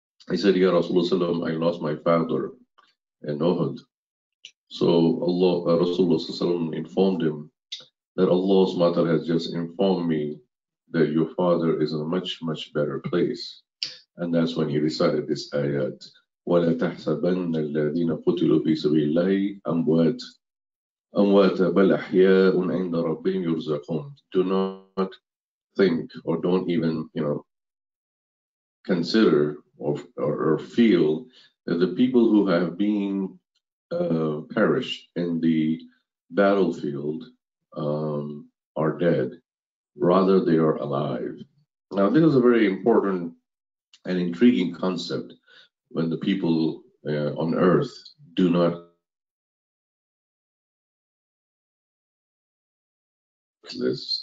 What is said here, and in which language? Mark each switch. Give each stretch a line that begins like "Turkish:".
English: He said, Ya Rasulullah, I lost my father in Uhud. So Allah, Rasulullah informed him that Allah's mother has just informed me that your father is in a much, much better place. And that's when he recited this ayat.
Arabic: وَلَا تَحْسَبَنَّ الَّذِينَ قُتِلُوا فِي سَبِيلِ اللَّهِ أَمْوَاتَ بَلْ أَحْيَاءٌ عِنْدَ رَبِّهِمْ يُرْزَقُونَ.
English: Do not think, or don't even, consider or feel that the people who have been perished in the battlefield are dead, rather they are alive. Now, this is a very important and intriguing concept when the people on earth do not this.